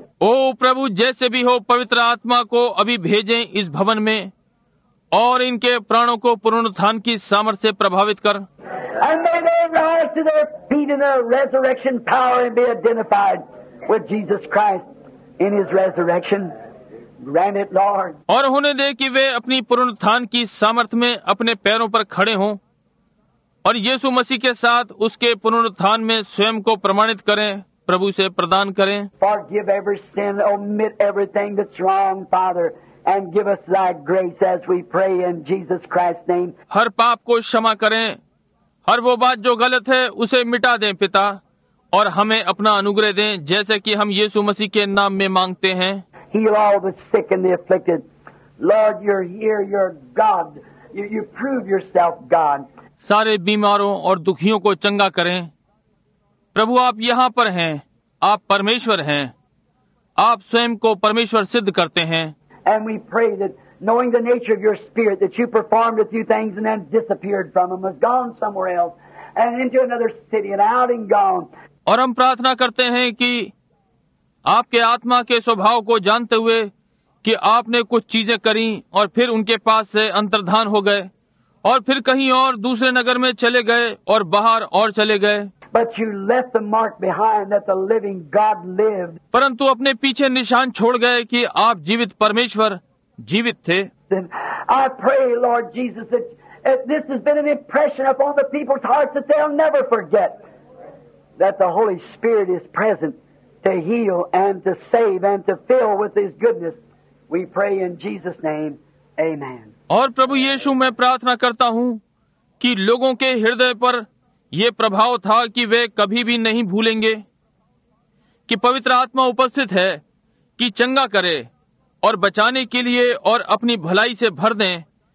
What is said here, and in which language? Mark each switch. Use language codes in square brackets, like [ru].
[hi] ओ प्रभु, जैसे भी हो पवित्र आत्मा को अभी भेजें इस भवन में और इनके प्राणों को पुनरुत्थान की सामर्थ्य से प्रभावित कर. [en] And may they rise to their feet in the resurrection power and be identified with Jesus Christ in His resurrection. Grant it, Lord. [hi] और होने दे कि वे अपनी पुनरुत्थान की सामर्थ में अपने पैरों पर खड़े हों और यीशु मसीह के साथ उसके पुनरुत्थान में स्वयं को प्रमाणित करें, प्रभु से प्रदान करें. [en] Forgive every sin, omit everything that's wrong, Father. And give us thy grace as we pray in Jesus Christ's name. [hi] हर पाप को क्षमा करें, हर वो बात जो गलत है उसे मिटा दें पिता, और हमें अपना अनुग्रह दें जैसे कि हम यीशु मसीह के नाम में मांगते हैं. [en] Heal all the sick and the afflicted. Lord, you're here, you're God. You prove yourself God. [hi] सारे बीमारों और दुखियों को चंगा करें. प्रभु आप यहाँ पर हैं, आप परमेश्वर हैं, आप स्वयं को परमेश्वर सिद्ध करते हैं. [en] And we pray that knowing the nature of your spirit, that you performed a few things and then disappeared from them, was gone somewhere else, and into another city, and out and gone. [hi] और हम प्रार्थना करते हैं कि आपके आत्मा के स्वभाव को जानते हुए कि आपने कुछ चीजें करी और फिर उनके पास से अंतर्धान हो गए और फिर कहीं और दूसरे नगर में चले गए और बाहर और चले गए. [en] But you left the mark behind that the living God lived. [hi] परंतु अपने पीछे निशान छोड़ गए कि आप जीवित परमेश्वर जीवित थे. [en] Then I pray, Lord Jesus, that this has been an impression upon the people's hearts that they'll never forget that the Holy Spirit is present to heal and to save and to fill with His goodness. We pray in Jesus' name, Amen. [hi] और प्रभु यीशु, मैं प्रार्थना करता हूँ कि लोगों के हृदय पर ये प्रभाव था कि वे कभी भी नहीं भूलेंगे कि पवित्र आत्मा उपस्थित है कि चंगा करे और बचाने के लिए और अपनी भलाई से भर दें.